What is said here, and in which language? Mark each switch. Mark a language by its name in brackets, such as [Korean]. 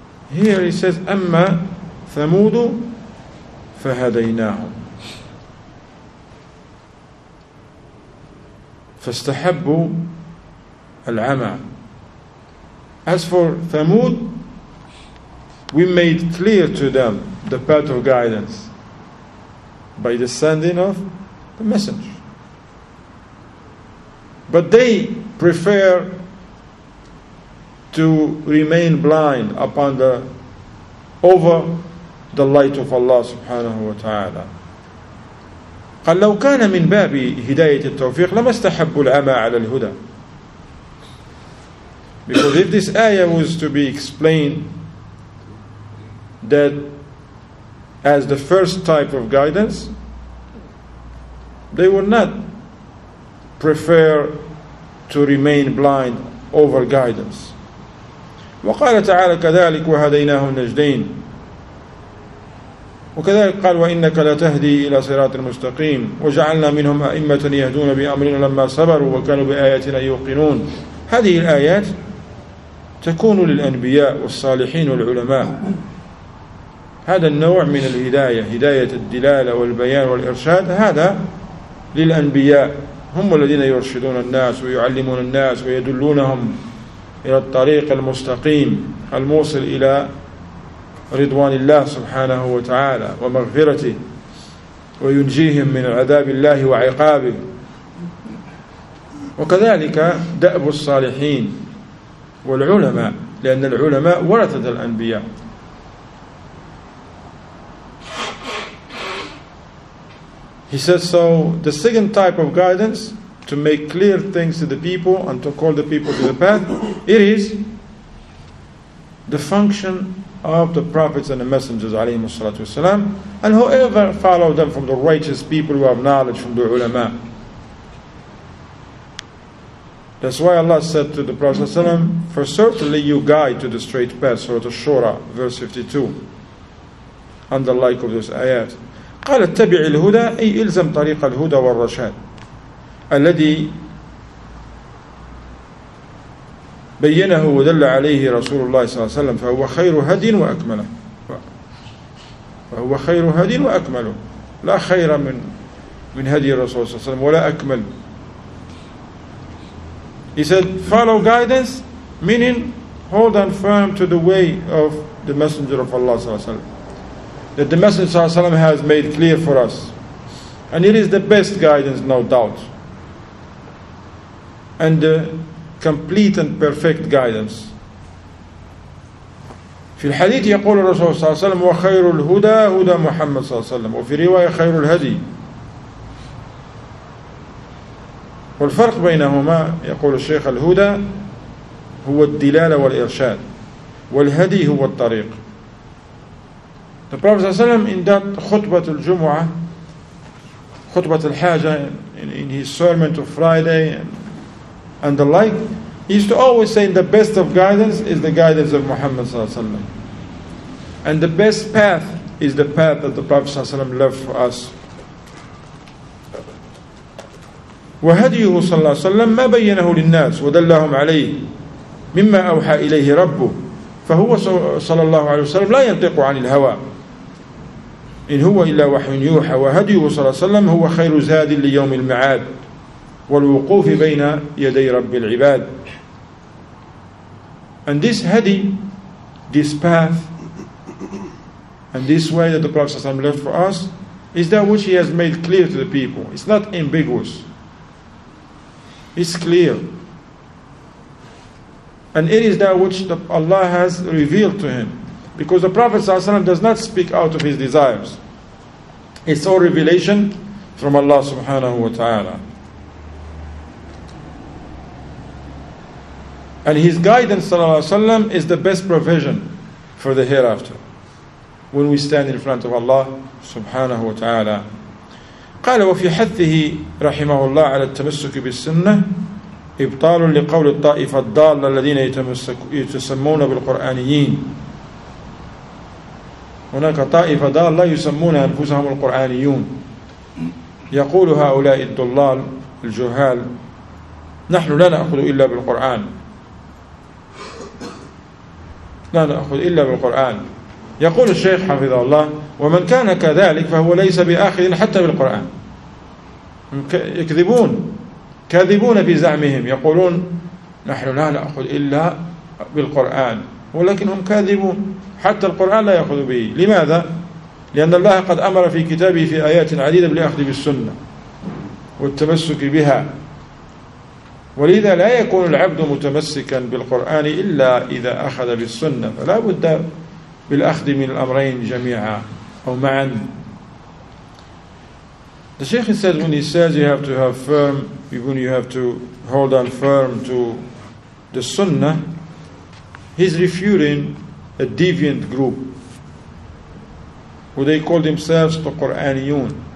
[English] Here he says [Arabic] أما ثمود فهديناهم فاستحبوا العمى. [English] As for Thamud, we made clear to them the path of guidance by the sending of the messenger. But they prefer to remain blind upon the over the light of Allah subhanahu wa ta'ala. [Arabic] قال لو كان من باب هداية التوفيق لما استحبوا العمى على الهدى. [English] Because if this ayah was to be explained that as the first type of guidance, they would not prefer to remain blind over guidance. [Arabic] وقال تعالى كذلك وهديناهم نجدين وكذلك قال وإنك لتهدي إلى صراط المستقيم وجعلنا منهم أئمة يهدون بأمرنا لما صبروا وكانوا بآياتنا يوقنون. هذه الآيات تكون للأنبياء والصالحين والعلماء. هذا النوع من الهداية, هداية الدلالة والبيان والإرشاد, هذا للأنبياء, هم الذين يرشدون الناس ويعلمون الناس ويدلونهم إلى الطريق المستقيم الموصل إلى رضوان الله سبحانه وتعالى ومغفرته وينجيهم من عذاب الله وعقابه. وكذلك دأب الصالحين والعلماء, لأن العلماء ورثة الأنبياء. [English] He said, so the second type of guidance to make clear things to the people and to call the people to the path, it is the function of the prophets and the messengers [Arabic] عليهم الصلاة والسلام, [English] and whoever followed them from the righteous people who have knowledge from the ulama. That's why Allah said to the Prophet sallam, for certainly you guide to the straight path, Surah Ash-Shura, verse 52, and the like of this ayat. [Arabic] قال اتبع الهدى أي إلزم طريق الهدى والرشاد الذي بينه ودل عليه رسول الله صلى الله عليه وسلم فهو خير هدي وأكمله. فهو خير هدي وأكمله, لا خير من هدي الرسول صلى الله عليه وسلم ولا أكمل. [English] He said, follow guidance, meaning hold on firm to the way of the Messenger of Allah sallallahu alayhi wa sallam, that the Messenger sallallahu alayhi wa sallam has made clear for us. And it is the best guidance, no doubt. And the complete and perfect guidance. [Arabic] في الحديث يقول الرسول صلى الله عليه وسلم وخير الهدى هدى محمد صلى الله عليه وسلم وفي رواية خير الهدي. والفرق بينهما يقول الشيخ الهدى هو الدلالة والإرشاد والهدي هو الطريق. [English] The Prophet [Arabic] صلى الله عليه وسلم [English] in that [Arabic] خطبة الجمعة, خطبة الحاجة, [English] in his sermon to Friday and the like, he used to always say the best of guidance is the guidance of Muhammad صلى الله عليه وسلم. And the best path is the path that the Prophet ﷺ left for us. [Arabic] وهديه صلى الله عليه وسلم ما بينه للناس ودلهم عليه مما أوحى إليه ربه. فهو صلى الله عليه وسلم لا ينطق عن الهوى, إن هو إلا وحي يوحى. وهديه صلى الله عليه وسلم هو خير زاد ليوم المعاد والوقوف بين يدي رب العباد. [English] And this hadi, this path, and this way that the Prophet ﷺ left for us, is that which he has made clear to the people. It's not ambiguous. It's clear. And it is that which Allah has revealed to him. Because the Prophet ﷺ does not speak out of his desires. It's all revelation from Allah subhanahu wa ta'ala. And his guidance, sallallahu alayhi wa sallam, is the best provision for the hereafter, when we stand in front of Allah subhanahu wa ta'ala. [Arabic] قال وفي حثه رحمه الله على التمسك بالسنة إبطال لقول الطائفة الضالة الذين يتسمون بالقرآنيين. هناك طائفة ضالة يسمون أنفسهم القرآنيون, يقول هؤلاء الضلال الجهال نحن لا نأخذ إلا بالقرآن, لا نأخذ إلا بالقرآن. يقول الشيخ حفظه الله ومن كان كذلك فهو ليس بآخذ حتى بالقرآن. يكذبون, كاذبون بزعمهم, يقولون نحن لا نأخذ إلا بالقرآن, ولكنهم كاذبون, حتى القرآن لا يأخذ به. لماذا؟ لأن الله قد أمر في كتابه في آيات عديدة بالأخذ بالسنة والتمسك بها, ولذا لا يكون العبد متمسكا بالقرآن إلا إذا أخذ بالسنة, فلا بد بالأخذ من الأمرين جميعا أو معا. [English] The Sheikh said when he says you have to have firm, when you have to hold on firm to the Sunnah, he's refuting a deviant group who they call themselves the Qur'aniyun.